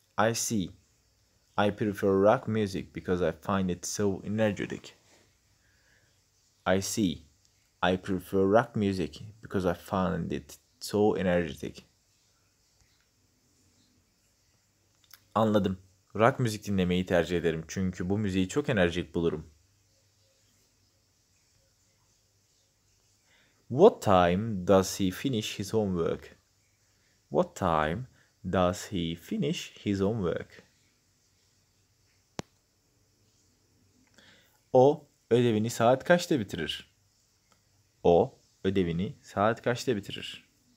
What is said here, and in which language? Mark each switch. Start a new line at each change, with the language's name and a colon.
English: I see. I prefer rock music because I find it so energetic. I see. I prefer rock music because I find it so energetic.
Turkish: Anladım. Rock müzik dinlemeyi tercih ederim çünkü bu müziği çok enerjik bulurum.
English: What time does he finish his homework? What time Does he finish his homework?
Turkish: O ödevini saat kaçta bitirir? O ödevini saat kaçta bitirir?